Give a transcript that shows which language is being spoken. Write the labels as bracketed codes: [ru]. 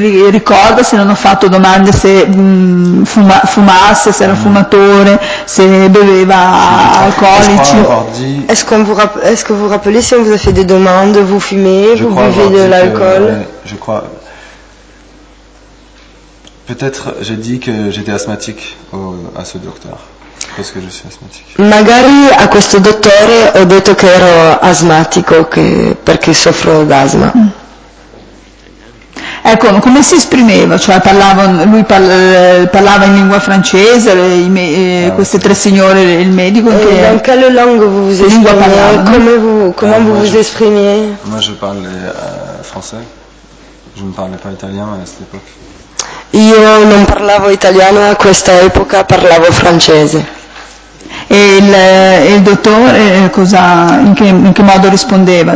[it] Ricorda se non ho fatto domande se fumasse, se era fumatore, se beveva alcolici. [fr] Est-ce que vous rappelez si on vous a fait des demandes, vous fumez, vous buvez de l'alcool? Je crois. Peut-être j'ai dit que j'étais asthmatique à ce docteur. Parce que je suis asthmatique. [it] Magari a questo dottore ho detto che ero asmatico perché soffro d'asma. Mm. Ecco, come si esprimeva? Cioè, parlava in lingua francese, queste tre signore, il medico? Che in quale lingua [fr] vous esprimiez? Comment vous esprimiez? Moi, je parlais français. Je ne parlais pas italien à cette époque. [it] Io non parlavo italiano a questa epoca, parlavo francese. E il dottore cosa, in che modo rispondeva?